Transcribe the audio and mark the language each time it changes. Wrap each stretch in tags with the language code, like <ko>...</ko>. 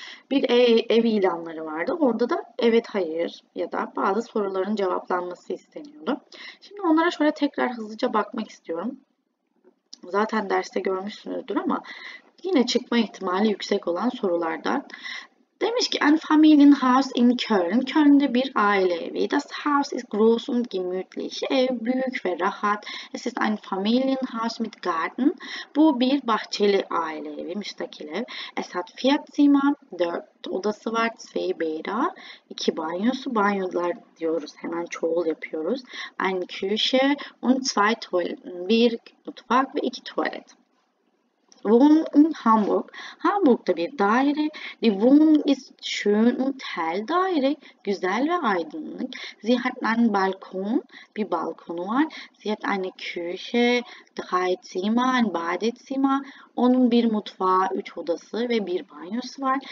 <tr>Bir ev ilanları vardı. Orada da evet, hayır ya da bazı soruların cevaplanması isteniyordu. Şimdi onlara şöyle tekrar hızlıca bakmak istiyorum. Zaten derste görmüşsünüzdür ama yine çıkma ihtimali yüksek olan sorulardan. Demiş ki</tr> <de>ein Familienhaus in Köln.</de> <tr>Köln'de bir aile evi.</tr> <de>Das Haus ist groß und gemütlich.</de> <tr>Ev büyük ve rahat.</tr> <de>Es ist ein Familienhaus mit Garten.</de> <tr>Bu bir bahçeli aile evi, müstakil ev.</tr> <de>Es hat vier Zimmer.</de> <tr>4 odası var.</tr> <de>Zwei Bäder.</de> <tr>2 banyosu. Banyolar diyoruz. Hemen çoğul yapıyoruz.</tr> <de>Ein Küche und zwei Toiletten.</de> <tr>Bir mutfak ve 2 tuvalet.</tr> <de>Wohn in Hamburg.</de> <tr>Hamburg'da bir daire.</tr> <de>Die Wohnung ist schön und hell.</de> <tr>Daire güzel ve aydınlık.</tr> <de>Sie hat einen Balkon.</de> <tr>Bir balkonu var.</tr> <de>Sie hat eine Küche, drei Zimmer, ein Badezimmer.</de> <tr>Onun bir mutfağı, 3 odası ve bir banyosu var.</tr>